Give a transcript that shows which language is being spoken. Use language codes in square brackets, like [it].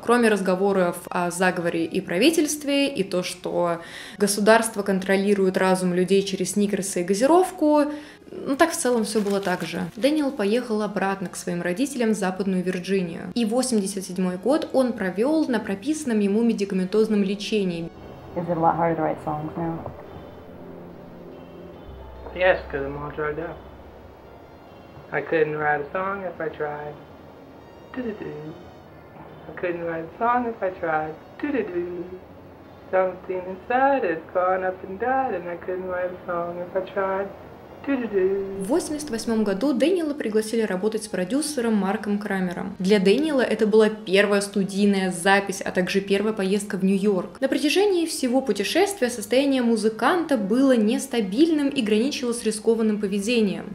[ru] Кроме разговоров о заговоре и правительстве, и то, что государство контролирует разум людей через сникерсы и газировку, ну так в целом все было так же. Дэниел поехал обратно к своим родителям в Западную Вирджинию. И 87-й год он провел на прописанном ему медикаментозном лечении. [en] Is it a lot harder to write songs now? Yes, because I'm all dried up. I couldn't write a song if I tried. Do-do-do. I couldn't write a song if I tried. Do-do-do. Something inside has gone up and died, and I couldn't write a song if I tried. [ru] В 88-м году Дэниела пригласили работать с продюсером Марком Крамером. Для Дэниела это была первая студийная запись, а также первая поездка в Нью-Йорк. На протяжении всего путешествия состояние музыканта было нестабильным и граничило с рискованным поведением.